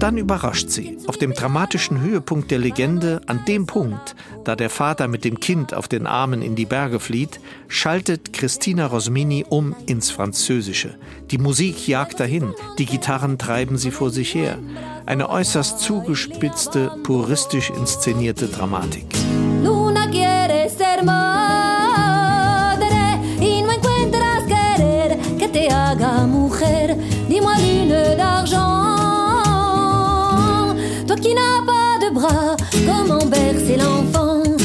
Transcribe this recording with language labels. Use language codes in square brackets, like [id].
[de] dann überrascht sie, auf dem dramatischen Höhepunkt der Legende, an dem Punkt, da der Vater mit dem Kind auf den Armen in die Berge flieht, schaltet Christina Rosmini um ins Französische. Die Musik jagt dahin, die Gitarren treiben sie vor sich her. Eine äußerst zugespitzte, puristisch inszenierte Dramatik. [es] Luna quiere ser madre y no encuentras querer que te haga mujer. [fr] Dis-moi lune d'argent, toi qui n'as pas de bras, comment bercer l'enfant?